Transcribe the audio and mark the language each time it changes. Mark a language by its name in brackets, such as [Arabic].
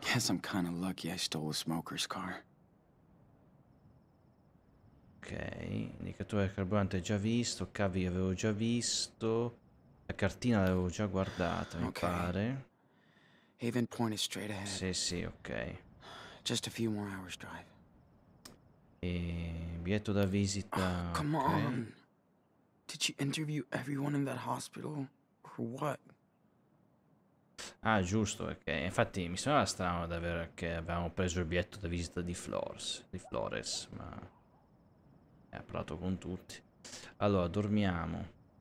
[English] Guess I'm kind of lucky I stole a smoker's car. [Italian] Ok, indicatore del carburante già visto, cavi avevo già visto, la cartina l'avevo già guardata, mi pare. [English] Haven Point is straight ahead. [Italian] Sì, sì, ok. [English] Just a few more hours drive. [Italian] E biglietto da visita. [English] Oh, come on. Did you interview everyone in that hospital or what? [Italian] Ah, giusto, ok. Infatti mi sembrava strano davvero che avevamo preso il biglietto da visita di Flores, ma ha parlato con tutti. Allora, dormiamo.